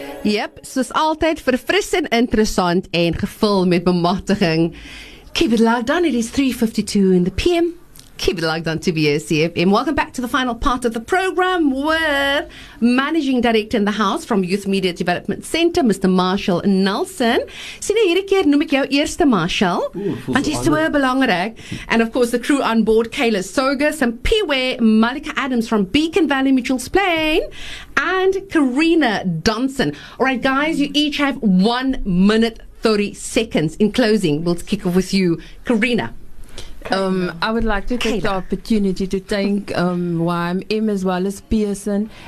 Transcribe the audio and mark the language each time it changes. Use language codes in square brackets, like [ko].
[af] Yep, soos altyd, verfrissend, interessant en gevul met bemagtiging. [en] Keep it locked on, it is 3:52 in the PM. Keep it locked on to BSCFM. Welcome back to the final part of the program with Managing Director in the House from Youth Media Development Center, Mr. Marshall Nelson. [af] Sien jy, hierdie keer noem ek jou eerste Marshall, want jy is so belangrik. [en] And of course, the crew on board, Kayla Soga, some P-Way, Malika Adams from Beacon Valley Mutual's Plain, and Karina Dunson. All right, guys, you each have 1 minute 30 seconds. In closing, we'll kick off with you, Karina. I would like to take the opportunity to thank YMM as well as Pearson.